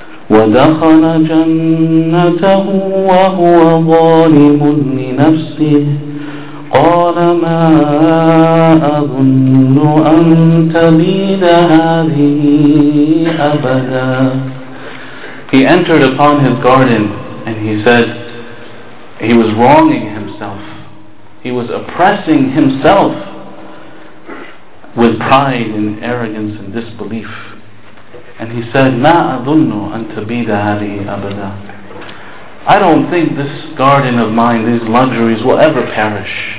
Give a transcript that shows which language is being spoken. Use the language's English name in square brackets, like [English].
[Arabic] وَدَخَلَ جَنَّتَهُ وَهُوَ ظَالِمٌ لِنَفْسِهِ قَالَ مَا أَظُنُّ أَن تَبِيدَ هَذِهِ أَبَدًا. [English] He entered upon his garden and he said, he was wronging himself, he was oppressing himself with pride and arrogance and disbelief. And he said, [Arabic] مَا أَظُنُّ أَن تَبِيدَ هَذِهِ أَبَدًا. [English] I don't think this garden of mine, these luxuries, will ever perish.